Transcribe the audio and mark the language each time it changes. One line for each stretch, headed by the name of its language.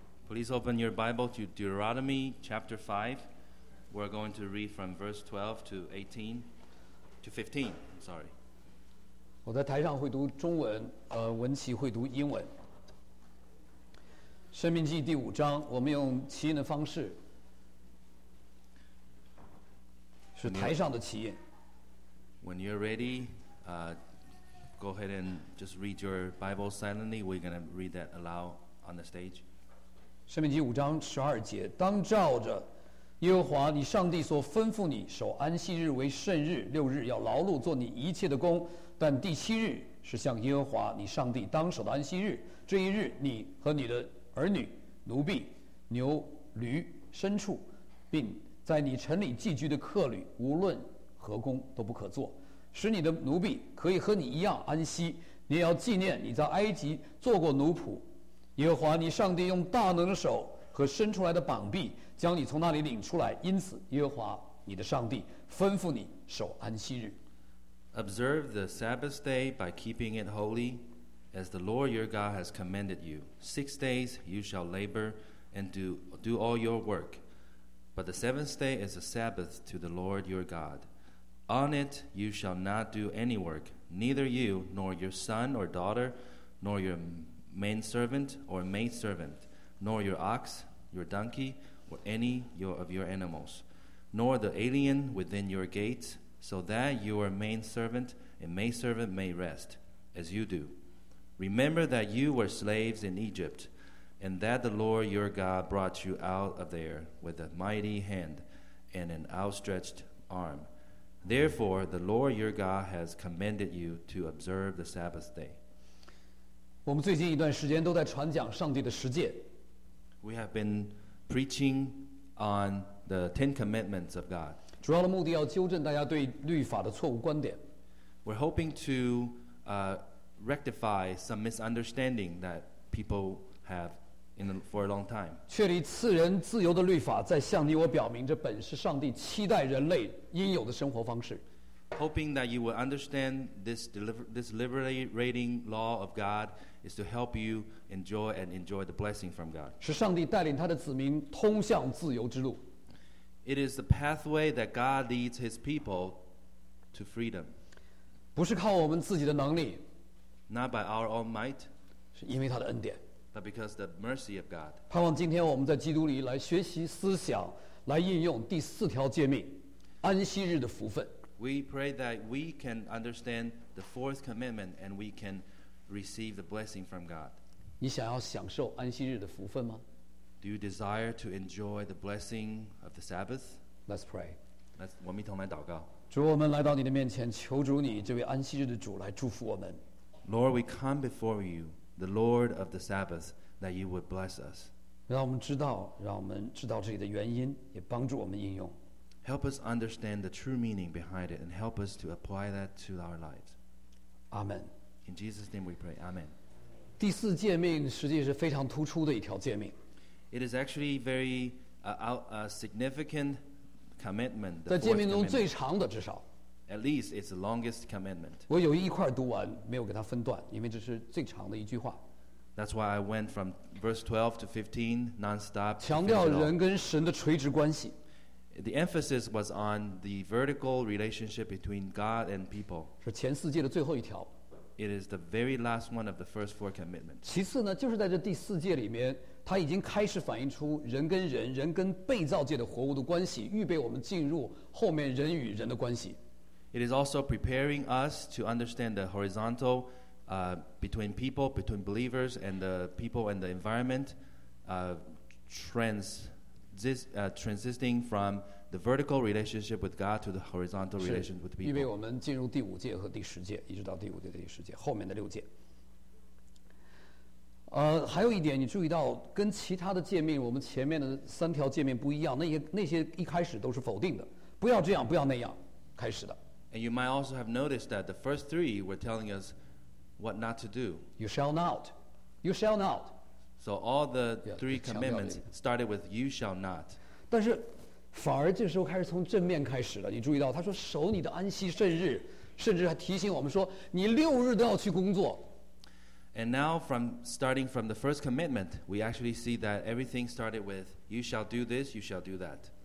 English: Please open your Bible to Deuteronomy chapter 5. We're going to read from verse 12 to 18 to 15. Sorry.
Chinese: 我在台上会读中文，文琪会读英文。申命记第五章，我们用起印的方式，是台上的起印。
English: When you're ready, go ahead and just read your Bible silently. We're going to read that aloud on the stage.
Chinese: 申命记五章十二节，当照着耶和华你上帝所吩咐你，守安息日为圣日，六日要劳碌做你一切的工，但第七日是向耶和华你上帝当守的安息日。这一日，你和你的儿女、奴婢、牛、驴、牲畜，并在你城里寄居的客旅，无论何工都不可做，使你的奴婢可以和你一样安息。你要纪念你在埃及做过奴仆。耶和华你上帝用大能的手和伸出来的膀臂将你从那里领出来，因此耶和华你的上帝吩咐你守安息日。
English: Observe the Sabbath day by keeping it holy, as the Lord your God has commanded you. 6 days you shall labor and do all your work, but the seventh day is a Sabbath to the Lord your God. On it you shall not do any work, neither you, nor your son or daughter, nor your manservant or maidservant, nor your ox, your donkey, or any of your animals, nor the alien within your gates, so that your manservant and maidservant may rest, as you do. Remember that you were slaves in Egypt, and that the Lord your God brought you out of there with a mighty hand and an outstretched arm. Therefore, the Lord your God has commanded you to observe the Sabbath day.
Chinese: 我们最近一段时间都在传讲上帝的十诫。
English: We have been preaching on the Ten Commandments of God.
Chinese: 主要的目的要纠正大家对律法的错误观点。
English: We're hoping to rectify some misunderstanding that people have for a long time.
Chinese: 确立赐人自由的律法，在向你我表明，这本是上帝期待人类应有的生活方式。
English: Hoping that you will understand this liberating law of God is to help you enjoy the blessing from God.
Chinese: 是上帝带领他的子民通向自由之路。
English: It is the pathway that God leads His people to freedom.
Chinese: 不是靠我们自己的能力。
English: Not by our own might.
Chinese: 是因为他的恩典。
English: But because the mercy of God.
Chinese: 盼望今天我们在基督里来学习思想，来应用第四条诫命，安息日的福分。
English: We pray that we can understand the fourth commandment and we can receive the blessing from God. 你想要享受安息日的福分吗？ Do you desire to enjoy the blessing of the Sabbath? Let's pray.
Chinese: 我们一同来祷告。主，我们来到你的面前，求主你这位安息日的主来祝福我们。
English: Lord, we come before you, the Lord of the Sabbath, that you would bless us.
Chinese: 让我们知道，让我们知道这里的原因，也帮助我们应用。
English: Help us understand the true meaning behind it and help us to apply that to our lives. Amen. In Jesus' name we pray. Amen.
Chinese: 第四诫命实际是非常突出的一条诫命。
English: It is actually very significant commandment.
Chinese: 在诫命中最长的至少。
English: At least it's the longest commandment.
Chinese: 我有一块读完，没有给它分段，因为这是最长的一句话。
English: That's why I went from verse 12 to 15 non-stop.
Chinese: 强调人跟神的垂直关系。
English: The emphasis was on the vertical relationship between God and people.
Chinese: 是前四诫的最后一条。
English: It is the very last one of the first four commitments.
Chinese: 其次呢，就是在这第四诫里面，它已经开始反映出人跟人、人跟被造界的活物的关系，预备我们进入后面人与人的关系。
English: It is also preparing us to understand the horizontal, between people, between believers, and the people and the environment, transisting from the vertical relationship with God to the horizontal relationship with people.
Chinese: 预备我们进入第五诫和第十诫，一直到第五诫、第十诫后面的六诫。还有一点，你注意到跟其他的诫命，我们前面的三条诫命不一样，那些一开始都是否定的，不要这样，不要那样，开始的。
English: And you might also have noticed that the first three were telling us what not to do. You shall not. You shall not. So all the three commandments started with you shall not.
Chinese: 但是反而这时候开始从正面开始了。你注意到他说守你的安息圣日，甚至还提醒我们说你六日都要去工作。
English: And now from starting from the first commitment, we actually see that everything started with you shall do this, you shall do that.